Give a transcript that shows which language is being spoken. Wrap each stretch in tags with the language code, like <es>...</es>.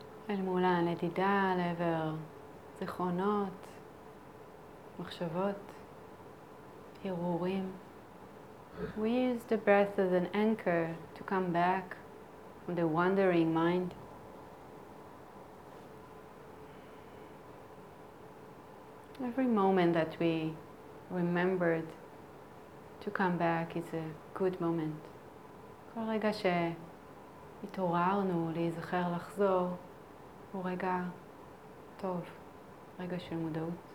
<he>אל מול הנדידה לעבר זיכרונות, מחשבות, הרהורים.</he> <en>We use the breath as an anchor to come back from the wandering mind. Every moment that we remembered to come back is a good moment.</en> <he>כל רגע שהתעוררנו להיזכר לחזור הוא רגע טוב, רגע של מודעות.</he>